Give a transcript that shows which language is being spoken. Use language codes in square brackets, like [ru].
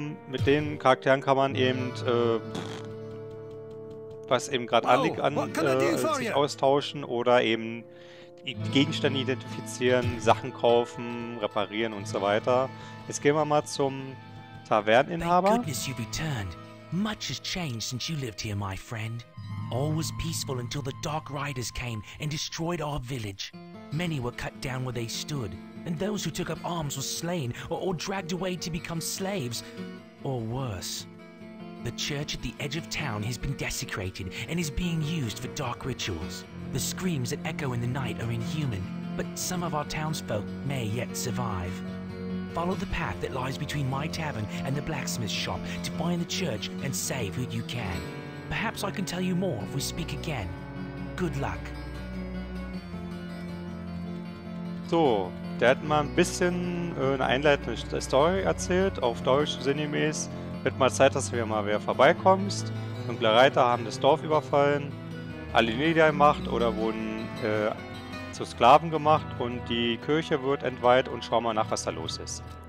[de] Mit den Charakteren kann man eben, was eben gerade anliegt, sich austauschen oder eben Gegenstände identifizieren, Sachen kaufen, reparieren und so weiter. Jetzt gehen wir mal zum Taverninhaber. [en] Thank goodness you've returned. Much has changed since you lived here, my friend. All was peaceful until the Dark Riders came and destroyed our village. Many were cut down where they stood, and those who took up arms were slain or dragged away to become slaves, or worse. The church at the edge of town has been desecrated and is being used for dark rituals. The screams that echo in the night are inhuman, but some of our townsfolk may yet survive. Follow the path that lies between my tavern and the blacksmith's shop to find the church and save who you can. Perhaps I can tell you more if we speak again. Good luck. [de] So, der hat mal ein bisschen eine einleitende Story erzählt, auf Deutsch sinngemäß. Wird mal Zeit, dass du hier mal wieder vorbeikommst. Dunkle Reiter haben das Dorf überfallen, alle niedergemacht oder wurden zu Sklaven gemacht und die Kirche wird entweiht und schau mal nach, was da los ist.